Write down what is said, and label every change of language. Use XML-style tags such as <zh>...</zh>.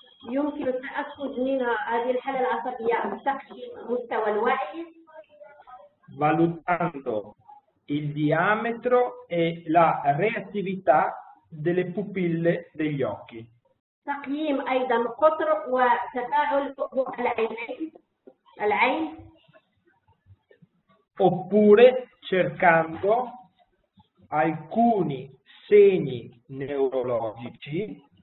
<ar>يمكن التأكد من هذه الحالة العصبية بتقييم مستوى الوعي.</ar> <it>valutando il diametro e la reattività delle pupille degli occhi.</it> <ar>تقييم ايضا قطر وتفاعل فعل العين</ar> <it>oppure cercando alcuni segni neurologici</it>